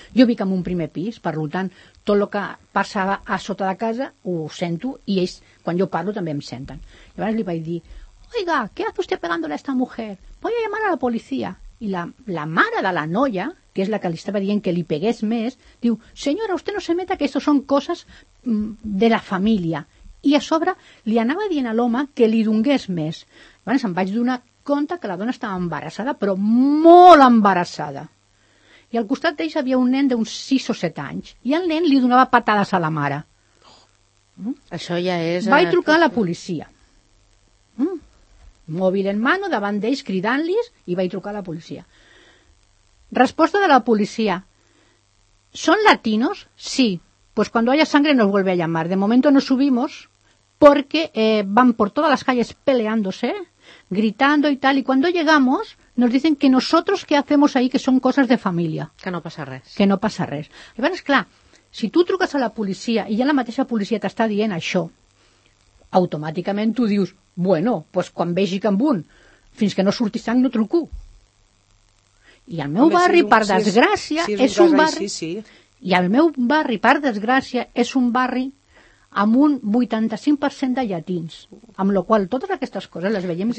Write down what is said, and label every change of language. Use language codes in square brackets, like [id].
[ca] Jo vinc en un primer pis, per tant, tot el que passa a sota de casa ho sento i ells, quan jo parlo, també em senten. Llavors li vaig dir, [es] oiga, ¿qué hace usted pegándole a esta mujer? Voy a llamar a la policía. [ca] I la mare de la noia, que és la que li estava dient que li pegués més, diu, [es] señora, usted no se meta que esto son cosas de la familia. [ca] I a sobre li anava dient a l'home que li dongués més. Llavors em vaig donar compte que la dona estava embarassada, però molt embarassada. I al costat d'ells havia un nen d'uns 6 o 7 anys. I el nen li donava patades a la mare. Això ja és... Vaig trucar a la policia. Mòbil en mano, davant d'ells, cridant-los, i vaig trucar a la policia. Resposta de la policia. [es] ¿Son latinos? [ca] Sí. [es] Pues cuando haya sangre nos vuelve a llamar. De momento no subimos porque van por todas las calles peleándose, gritando y tal. Y cuando llegamos... Nos dicen que nosotros qué hacemos ahí, que son cosas de familia. [ca] Que no passa res. Llavors, clar, si tu truques a la policia i ja la mateixa policia t'està dient això, automàticament tu dius, bueno, pues quan vegi que amb un, fins que no surti sang, no truco. I el meu barri, per desgràcia, és un barri... I el meu barri, per desgràcia, és un barri amb un 85% de llatins, amb la qual totes aquestes coses les veiem